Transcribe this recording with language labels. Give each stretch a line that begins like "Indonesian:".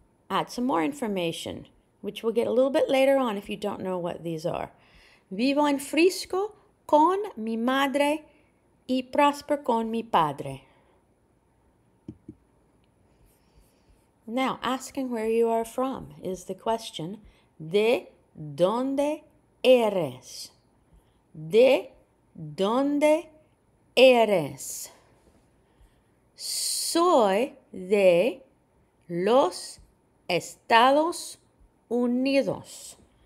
English: Add some more information, which we'll get a little bit later on if you don't know what these are.
Spanish: Vivo en Frisco con mi madre y prosper con mi padre.
English: Now, asking where you are from is the question.
Spanish: ¿De dónde eres? ¿De dónde eres? Soy de los Estados Unidos.